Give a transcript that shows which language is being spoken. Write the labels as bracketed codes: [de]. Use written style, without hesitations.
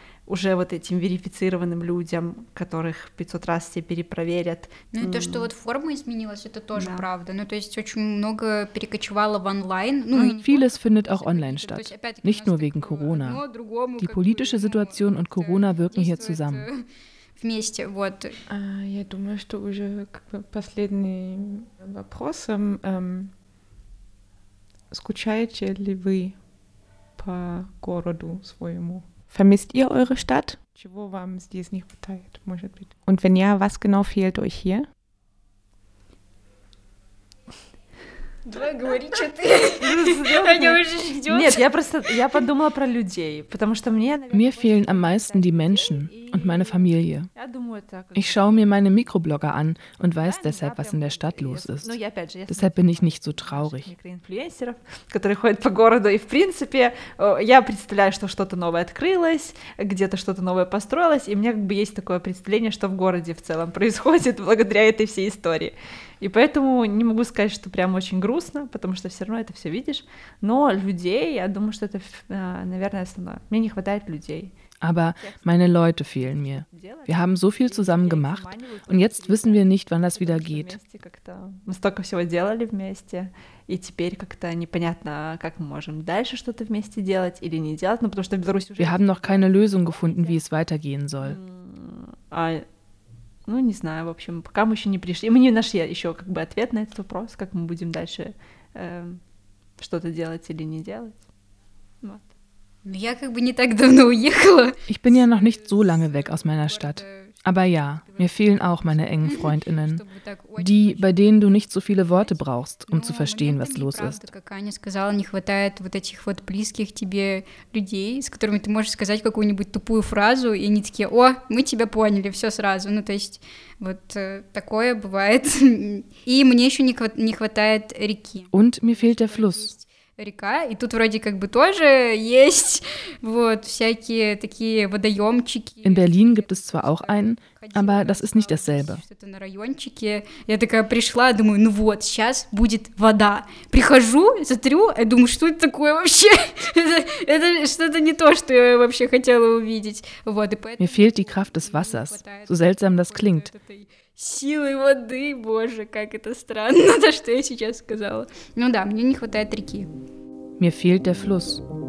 [ru] уже вот этим верифицированным людям, которых 500 раз все перепроверят. Ну и то, что вот форма изменилась, это тоже правда. Ну то есть очень много перекочевало в онлайн. [de] Vieles findet auch online statt, nicht nur wegen Corona. Die politische Situation und Corona wirken hier zusammen. [ru] Вместе, вот. Я думаю, что уже как бы последний вопрос. Скучаете ли вы по городу своему? [de] Vermisst ihr eure Stadt? [ru] Чего вам здесь не хватает, может быть? [de] Und wenn ja, was genau fehlt euch hier? [ru] Давай говори, что ты. Аня уже ждёт. Нет, я подумала про людей, потому что мне... [de] Mir fehlen am meisten die Menschen und meine Familie. Ich schaue mir meine Mikroblogger an und weiß deshalb, was in der Stadt los ist. Deshalb bin ich nicht so traurig. [ru] Которые ходят по городу, и в принципе, я представляю, что что-то новое открылось, где-то что-то новое построилось, и у меня как бы есть такое представление, что в городе в целом происходит благодаря этой всей истории. И поэтому не могу сказать, что прям очень грустно, потому что все равно это все видишь. Но людей, я думаю, что это, наверное, основное. Мне не хватает людей. [de] Aber meine Leute fehlen mir. Wir haben so viel zusammen gemacht und jetzt wissen wir nicht, wann das wieder geht. [ru] Мы столько всего делали вместе, и теперь как-то непонятно, как мы можем дальше что-то вместе делать или не делать, но потому что Беларусь уже... [de] Wir haben noch keine Lösung gefunden, wie es weitergehen soll. [ru] Ну, не знаю, в общем, пока мы еще не пришли. Мы не нашли еще как бы ответ на этот вопрос, как мы будем дальше что-то делать или не делать. Вот. Я как бы не так давно уехала. [de] Ich bin ja noch nicht so lange weg aus meiner Stadt. Aber ja, mir fehlen auch meine engen Freundinnen, die, bei denen du nicht so viele Worte brauchst, um zu verstehen, was los ist. [ru] Как Аня сказала, не хватает вот этих вот близких тебе людей, с которыми ты можешь сказать какую-нибудь тупую фразу, и они такие, о, мы тебя поняли, все сразу. Ну, то есть, вот такое бывает. И мне еще не хватает реки. [de] Und mir fehlt der Fluss. [ru] Река, и тут вроде как бы тоже есть вот всякие такие водоемчики. [de] In Berlin gibt es zwar auch einen, aber das ist nicht dasselbe. [ru] Что-то на райончике. Я такая пришла, думаю, ну вот, сейчас будет вода. Прихожу, смотрю, и думаю, что это такое вообще? Это что-то не то, что я вообще хотела увидеть. Вот, и поэтому... [de] Mir fehlt die Kraft des Wassers, so seltsam das klingt. [ru] Силы воды, боже, как это странно, за что я сейчас сказала. Ну да, мне не хватает реки. [de] Mir fehlt der Fluss.